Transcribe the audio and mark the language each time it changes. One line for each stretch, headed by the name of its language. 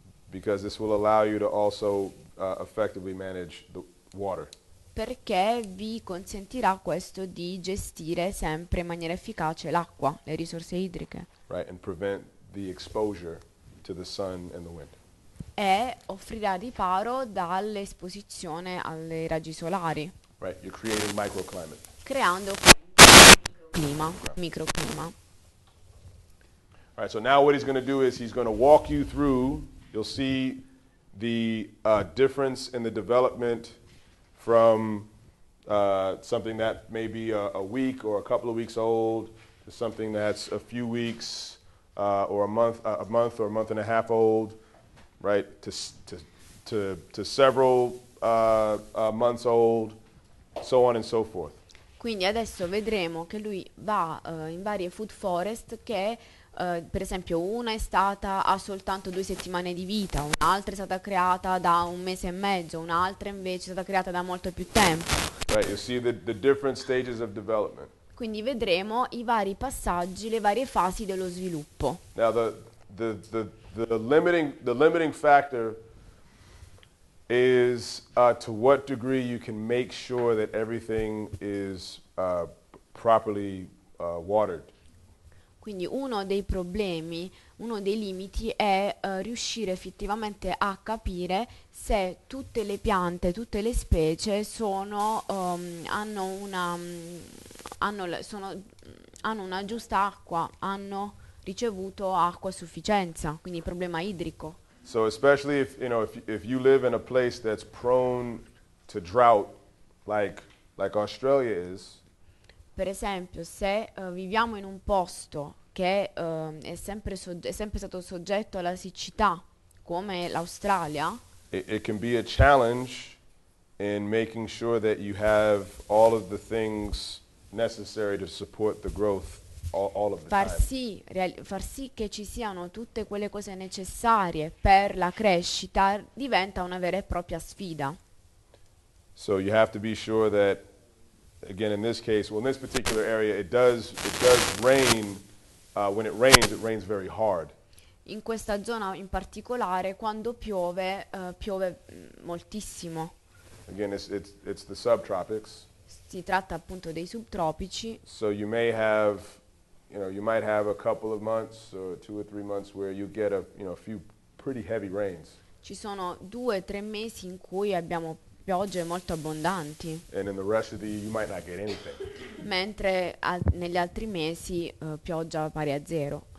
English: Because this will allow you to also effectively manage the water.
Italian: Perché vi consentirà questo di gestire sempre in maniera efficace l'acqua, le risorse idriche.
English: Right, and prevent the exposure to the sun and the wind.
Italian: E offrirà riparo dall'esposizione alle raggi solari.
English: Right, you're creating microclimate.
Italian: Creando clima, microclima.
English: All right, so now what he's going to do is he's going to walk you through, you'll see the difference in the development from something that may be a week or a couple of weeks old to something that's a few weeks or a month or a month and a half old, right, to several months old, so on and so forth.
Italian: Quindi adesso vedremo che lui va in varie food forest che per esempio una è stata ha soltanto 2 settimane di vita, un'altra è stata creata da 1 mese e mezzo, un'altra invece è stata creata da molto più tempo.
English: Right, you see the different stages of development.
Italian: Quindi vedremo i vari passaggi, le varie fasi dello sviluppo.
English: Now the limiting factor is to what degree you can make sure that everything is properly watered.
Italian: Quindi uno dei problemi, uno dei limiti è riuscire effettivamente a capire se tutte le piante, tutte le specie sono hanno una giusta acqua, hanno ricevuto acqua a sufficienza, quindi problema idrico.
English: So especially if you know if you live in a place that's prone to drought like Australia is.
Italian: Per esempio, se viviamo in un posto che è sempre stato soggetto alla siccità come l'Australia.
English: It can be a challenge in making sure that you have all of the things necessary to support the growth all of the
Italian: far sì che ci siano tutte quelle cose necessarie per la crescita diventa una vera e propria sfida.
English: So you have to be sure that again in this case, well in this particular area it does rain. When it rains very hard.
Italian: In questa zona in particolare, quando piove, piove moltissimo.
English: Again, it's the subtropics.
Italian: Si tratta appunto dei subtropici.
English: So you may have, you know, you might have a couple of months or 2 or 3 months where you get a few pretty heavy rains.
Italian: Ci sono 2 o 3 mesi in cui abbiamo piogge molto abbondanti.
English: And in the rest of the year you might not get anything.
Italian: Mentre negli altri mesi pioggia pari a zero.